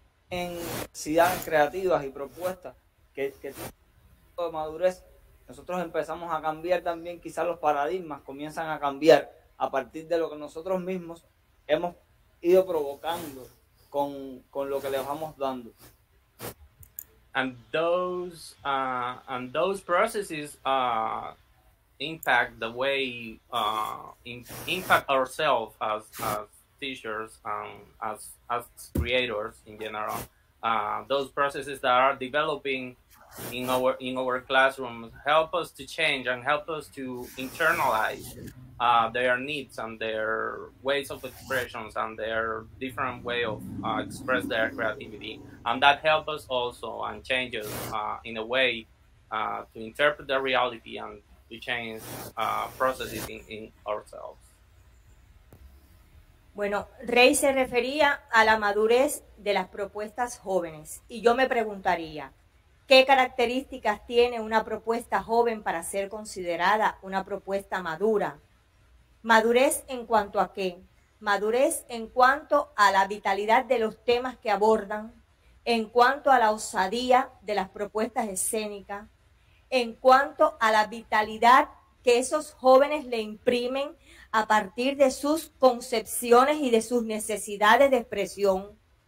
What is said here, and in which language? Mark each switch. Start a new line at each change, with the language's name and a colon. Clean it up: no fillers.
Spanish: en ciudades creativas y propuestas que tienen de madurez, nosotros empezamos a cambiar también, quizás los paradigmas comienzan a cambiar a partir de lo que nosotros mismos hemos ido provocando con lo que les vamos dando.
English: And those processes impact the way impact ourselves as teachers and as creators in general. Those processes that are developing in our classrooms help us to change and help us to internalize their needs and their ways of expressions and their different way of express their creativity. And that helps us also and changes in a way to interpret the reality and to change processes in ourselves.
Spanish: Bueno, Rey se refería a la madurez de las propuestas jóvenes. Y yo me preguntaría, ¿qué características tiene una propuesta joven para ser considerada una propuesta madura? ¿Madurez en cuanto a qué? Madurez en cuanto a la vitalidad de los temas que abordan, en cuanto a la osadía de las propuestas escénicas, en cuanto a la vitalidad que esos jóvenes le imprimen a partir de sus concepciones y de sus necesidades de expresión.